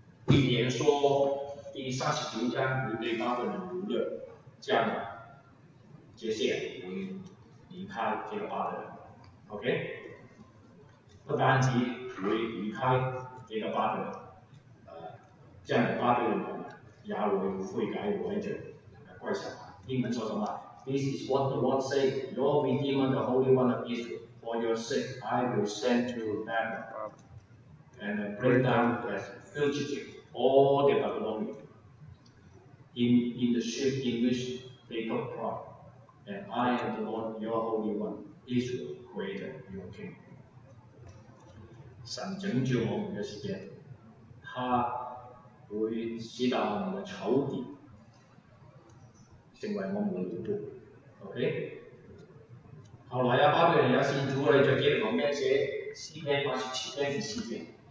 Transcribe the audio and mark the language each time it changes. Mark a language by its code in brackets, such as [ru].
[zh] 预言说第三十九章会被巴比伦掳掠，将来这些人会离开这个巴比伦。 OK， 不单只会离开这个巴比伦，将来巴比伦。也会悔改为主，归向他。英文说什么 [en] ？This is what the Lord said. Your Redeemer, the Holy One of Israel, for your sake, I will send to Babylon and bring down the fugitive, all the Babylonians, in the ship in which they took part. And I am the Lord, your Holy One, Israel, Creator, your King. [zh] 神拯救我们的时间，他。会使到我们的仇敌成为我们的奴仆 ，OK？后来巴比伦也信主了，就接着旁边写四篇八十七篇的诗篇。